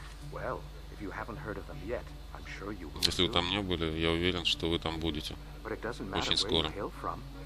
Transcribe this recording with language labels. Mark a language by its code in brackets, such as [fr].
[en] Well, if you haven't heard of them yet, I'm sure you will. [ru] Если вы там не были, я уверен, что вы там будете. [en] But it doesn't matter where you hail from.